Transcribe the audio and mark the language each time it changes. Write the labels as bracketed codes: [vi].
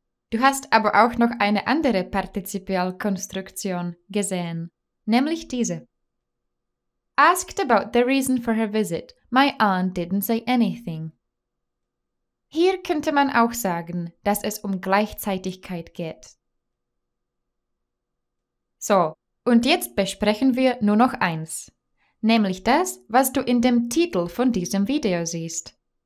[de] Du hast aber auch noch eine andere Partizipialkonstruktion gesehen, nämlich diese. [en] Asked about the reason for her visit, my aunt didn't say anything. [de] Hier könnte man auch sagen, dass es um Gleichzeitigkeit geht. So, und jetzt besprechen wir nur noch eins. Nämlich das, was du in dem Titel von diesem Video siehst.